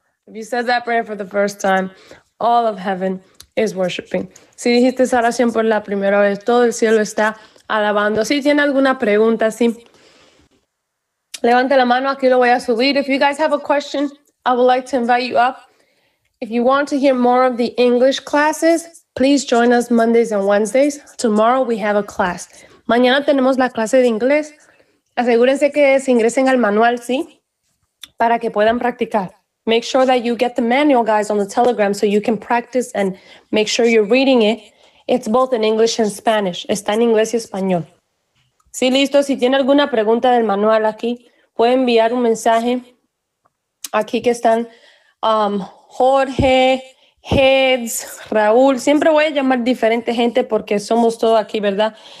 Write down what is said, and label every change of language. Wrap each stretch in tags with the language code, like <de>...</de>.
<en>If you said that prayer for the first time, all of heaven is worshiping.</en> <es>Si dijiste esa oración por la primera vez, todo el cielo está alabando. Si tiene alguna pregunta, sí. Levante la mano, aquí lo voy a subir.</es> <en>If you guys have a question, I would like to invite you up. If you want to hear more of the English classes, please join us Mondays and Wednesdays. Tomorrow we have a class.</en> <es>Mañana tenemos la clase de inglés. Asegúrense que se ingresen al manual, ¿sí? Para que puedan practicar.</es> <en>Make sure that you get the manual, guys, on the Telegram so you can practice and make sure you're reading it. It's both in English and Spanish.</en> <es>Está en inglés y español.</es> <en>Sí, listo.</en> <es>Si tiene alguna pregunta del manual aquí, puede enviar un mensaje. Aquí que están Jorge, Heads, Raúl. Siempre voy a llamar diferente gente porque somos todos aquí, ¿verdad?</es>